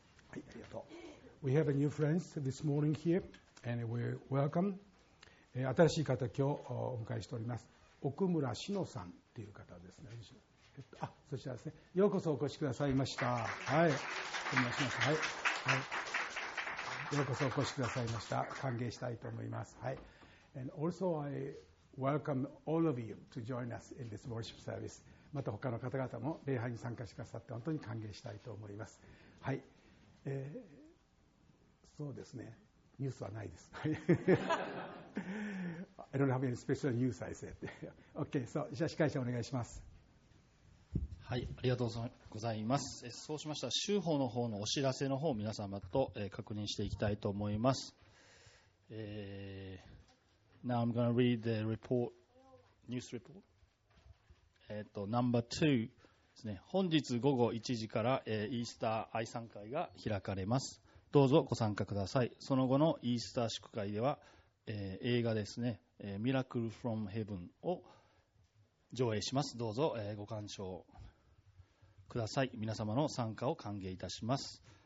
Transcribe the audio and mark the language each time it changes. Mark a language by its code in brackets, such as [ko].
[ja] はい、ありがとう。 [en] We have a new friends this morning here, and we welcome [ja] 新しい方今日お迎えしております。奥村志乃さんという方ですね。あ、そちらですね。ようこそお越しくださいました。はい。お願いします。はい。はい、ようこそお越しくださいました。歓迎したいと思います。はい。 [en] And also I welcome all of you to join us in this worship service. [ja] また他の方々も礼拝に参加してくださって本当に歓迎したいと思います。はい。そうですね。ニュースはないです。 [en] I don't have any special news, I said. [ja] OK, so, じゃあ司会者お願いします。はい、ありがとうございます。そうしましたら週報の方のお知らせの方を皆様と確認していきたいと思います。 [en] Now I'm going to read the report, news report. [ja] Number 2ですね。本日午後1時から、イースター愛参会が開かれます。どうぞご参加ください。その後のイースター祝会では、映画ですね、ミラクルフロムヘブンを上映します。どうぞ、ご鑑賞ください。皆様の参加を歓迎いたします。